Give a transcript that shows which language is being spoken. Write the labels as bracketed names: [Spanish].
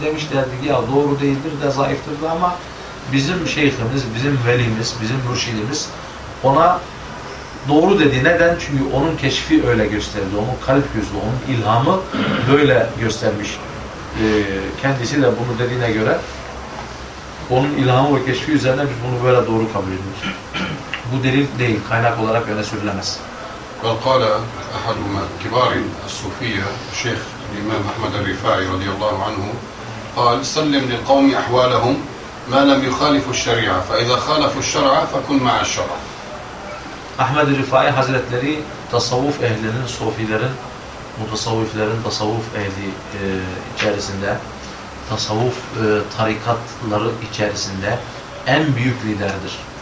[Turkish] Demişlerdi ki ya doğru değildir de zayıftır da ama bizim şeyhimiz, bizim velimiz, bizim mürşidimiz ona doğru dedi. Neden? Çünkü onun keşfi öyle gösterdi. Onun kalp gözü, onun ilhamı böyle göstermiş. Kendisi de bunu dediğine göre onun ilhamı ve keşfi üzerine biz bunu böyle doğru kabul ediyoruz. Bu delil değil, kaynak olarak öyle söylenemez. [Arabic] وقال أحد كبار الصوفية الشيخ الإمام أحمد الرفاعي رضي الله عنه قال سلم للقوم أحوالهم ما لم يخالفوا الشريعة فإذا خالفوا الشرع فكن مع الشرع. [Turkish] أحمد الرفاعي حضرتleri tasavvuf ehlinin, sufilerin, mutasavvıfların tasavvuf ehli içerisinde, tasavvuf tarikatları içerisinde en büyük liderdir.